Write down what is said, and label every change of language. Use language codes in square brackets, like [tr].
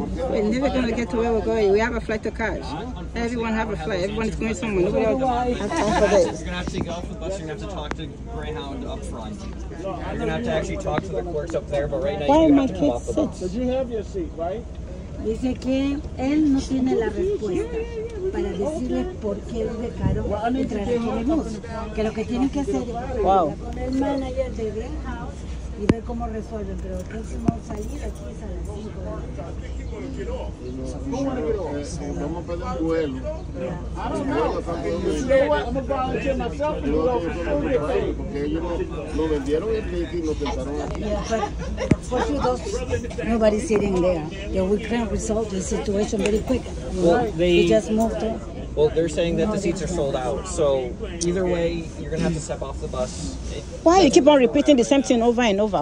[en] We're never going to get to where we're going. We have a flight to catch. Everyone have a flight. Everyone's going somewhere. Nobody has time for this. You're going to have to go off the bus. You're going to have to talk to Greyhound up front. You're going to have to actually talk to the clerks up there, but right now you're going to have to go off the bus. Did you have your seat, right? [es] Dice que él no tiene la respuesta para decirle por qué los dejaron entrar aquí de bus. Que lo que tienen que hacer es hablar con el manager de Green House y ver cómo resuelven. Pero próximo salir aquí es a las 5 de la tarde. Vamos a perder un vuelo. [en] I don't know. You know what? I'm going to volunteer myself and go for food. [es] Porque ellos lo vendieron el ticket y lo tentaron aquí. [en] For you, those, nobody's sitting there. Yeah, we can't resolve the situation very quick. Well, we just moved on. Well, they're saying that the seats are sold out. So either way, you're going to have to step off the bus. Why you keep on repeating the same thing over and over?